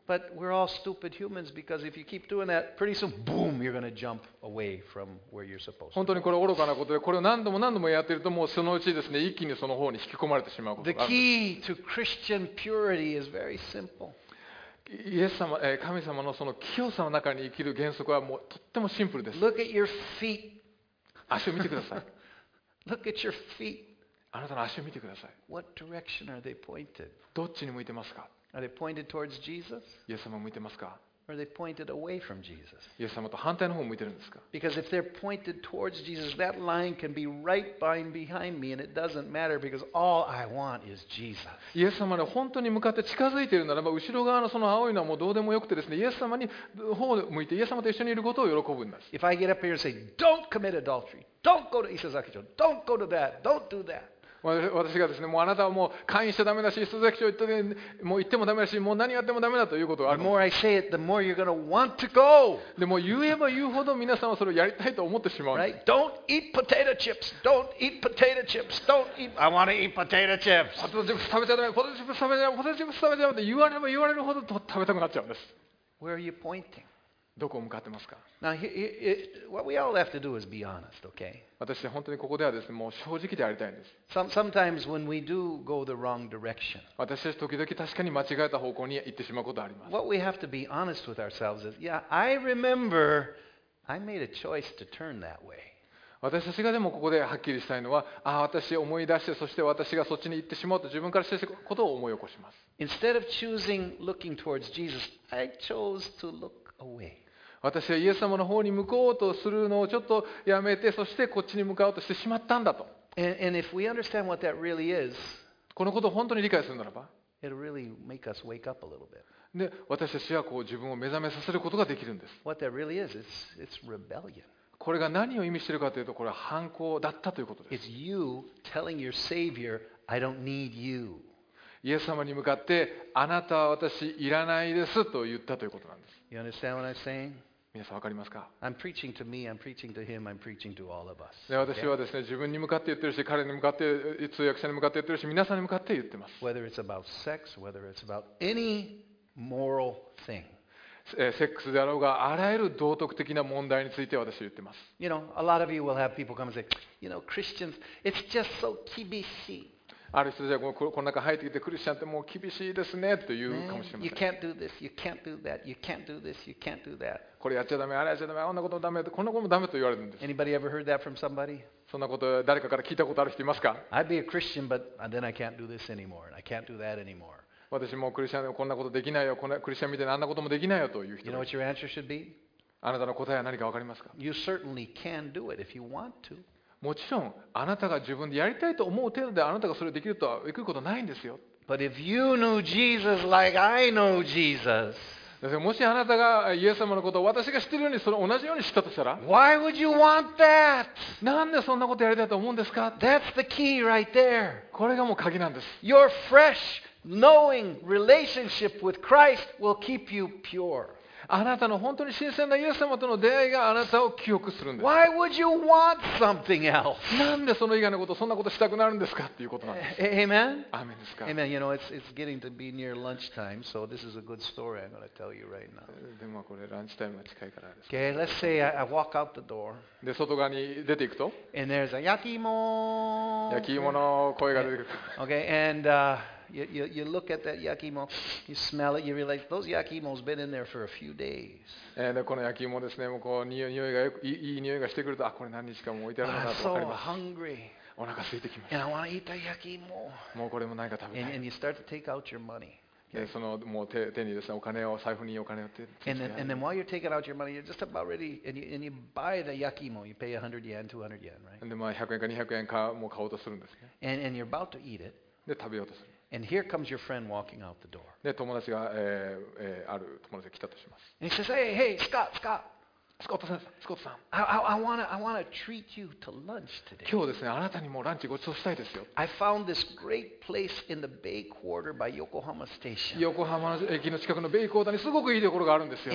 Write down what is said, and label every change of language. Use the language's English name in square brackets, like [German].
[English] But we're all stupid humans because if you keep doing that, pretty soon, boom, you're going to jump away from where you're supposed to. [Japanese] 本当にこれ愚かなことで、これを何度も何度もやってると、もうそのうちですね、一気にその方に引き込まれてしまうことがある。 [English] The key to Christian purity is very simple. [Japanese] イエス様、神様のその清さの中に生きる原則はもうとってもシンプルです。 [English] Look at your feet. [Japanese] 足を見てください。 [English] Look at your feet. [Japanese] あなたの足を見てください。 [English] What direction are they pointed? [Japanese] どっちに向いてますか。 [English] Are they pointed towards Jesus? [Japanese] イエス様向いてますか。 [English] Are they pointed away from Jesus? [Japanese] イエス様と反対の方向いてるんですか。 [English] Because if they're pointed towards Jesus, that line can be right behind me, and it doesn't matter because all I want is Jesus. [Japanese] イエス様に本当に向かって近づいているならば、後ろ側のその青いのはもうどうでもよくてですね、イエス様に方向いてイエス様と一緒にいることを喜ぶんです。 [English] If I get up here and say, "Don't commit adultery," "Don't go to Isazaki-cho," "Don't go to that," "Don't do that." [Japanese] 私がですね、もうあなたはもう会員しちゃダメだし、磯崎町行ってもダメだし、もう何やってもダメだということがある。 [English] The more I say it, the more you're gonna want to go. [Japanese] でも言えば言うほど皆さんはそれをやりたいと思ってしまう。 [English] Right? Don't eat potato chips. Don't eat potato chips. Don't eat. I want to eat potato chips. [Japanese] ポテトチップス食べちゃダメ。ポテトチップス食べちゃダメ。ポテトチップス食べちゃダメって言われれば言われるほど食べたくなっちゃうんです。 [English] Where are you pointing? [Japanese] どこを向かってますか。 [English] Now, what we all have to do is be honest, okay? [Japanese] 私は本当にここではですね、もう正直でありたいんです。 [English] Sometimes when we do go the wrong direction, [Japanese] 私は時々確かに間違えた方向に行ってしまうことがあります。 [English] What we have to be honest with ourselves is, yeah, I remember I made a choice to turn that way. [Japanese] 私たちがでもここではっきりしたいのは、ああ私思い出して、そして私がそっちに行ってしまうと自分からしていることを思い起こします。 [English] Instead of choosing looking towards Jesus, I chose to look away. [Japanese] 私はイエス様の方に向こうとするのをちょっとやめて、そしてこっちに向かおうとしてしまったんだと。 [English] And if we understand what that really is, [Japanese] このことを本当に理解するならば、 [English] it'll really make us wake up a little bit. [Japanese] で、私たちはこう自分を目覚めさせることができるんです。 [English] What that really is, it's rebellion. [Japanese] これが何を意味しているかというと、これは反抗だったということです。 [English] It's you telling your Savior, I don't need you. [Japanese] イエス様に向かってあなたは私いらないですと言ったということなんです。 [English] You understand what I'm saying? [Japanese] 皆さんわかりますか？ [English] I'm preaching to me, I'm preaching to him, I'm preaching to all of us. [Japanese] 私はですね、自分に向かって言ってるし、彼に向かって、通訳者に向かって言ってるし、皆さんに向かって言ってます。 [English] Whether it's about sex, whether it's about any moral thing. [Japanese] セックスであろうが、あらゆる道徳的な問題について私は言ってます。 [English] You know, a lot of you will have people come and say, you know, Christians, it's just so 厳しい。 [Japanese] ある人じゃこの中入ってきてクリスチャンってもう厳しいですねと言うかもしれません。 [English] You can't do this, you can't do that, you can't do this, you can't do that. [Japanese] これやっちゃダメ、あれやっちゃダメ、あんなこともダメ、こんなこともダメと言われるんです。 [English] Anybody ever heard that from somebody? [Japanese] そんなこと誰かから聞いたことある人いますか [English] ？I'd be a Christian, but then I can't do this anymore, and I can't do that anymore. [Japanese] 私もクリスチャンでこんなことできないよ、こんなクリスチャンみたいなあんなこともできないよという人。 [English] You know what your answer should be? [Japanese] あなたの答えは何かわかりますか [English] ？You certainly can do it if you want to. [Japanese] もちろんあなたが自分でやりたいと思う程度であなたがそれできるとはいくことないんですよ。 [English] But if you knew Jesus like I know Jesus, [Japanese] もしあなたがイエス様のことを私が知っているようにその同じように知ったとしたら、 [English] Why would you want that? [Japanese] なんでそんなことやりたいと思うんですか [English] ？That's the key right there. [Japanese] これがもう鍵なんです。 [English] Your fresh knowing relationship with Christ will keep you pure. [Japanese] あなたの本当に新鮮なイエス様との出会いがあなたを清くするんです。 [English] Why would you want something else? [Japanese] なんでその以外のこと、そんなことしたくなるんですかっていうことなんです。 [English] Amen? [Japanese] アーメンですか。 [English] Amen. You know, it's getting to be near lunchtime, so this is a good story I'm going to tell you right now. [Japanese] でもこれ、ランチタイムが近いからです。 [English] Okay, let's say I walk out the door. [Japanese] で、外側に出ていくと。 [English] And there's a 焼き芋。 [Japanese] 焼き芋の声が出てくる。 [English] Okay, and... You look at that yakimo, you smell it, you realize those yakimo's been in there for a few days. [Japanese] And この焼き芋ですね、もうこう匂いがいい匂いがしてくると、あ、これ何日かも置いてあるんだと分かります。 [English] I'm so hungry. [Japanese] お腹空いてきました。 [English] And I want to eat that yakimo. [Japanese] もうこれも何か食べたい。 [English] And you start to take out your money. [Japanese] でそのもう 手にですねお金を財布にお金を手に [English] and then while you're taking out your money you're just about ready and you buy the yakimo you pay 100 yen 200 yen right and then [Japanese] まあ100円か200円かもう買おうとするんですね [English] and you're about to eat it [Japanese] で食べようとする。 [English] And here comes your friend walking out the door. [Japanese] で友達が、ある友達が来たとします。 [English] And he says, "Hey, hey, Scott, Scott." [Japanese] Scott さん、Scott さん。 [English] I wanna treat you to lunch today. [Japanese] 今日ですね、あなたにもランチごちそうしたいですよ。 [English] I found this great place in the Bay Quarter by Yokohama Station. [Japanese] 横浜駅の近くのベイクォーターにすごくいいところがあるんですよ。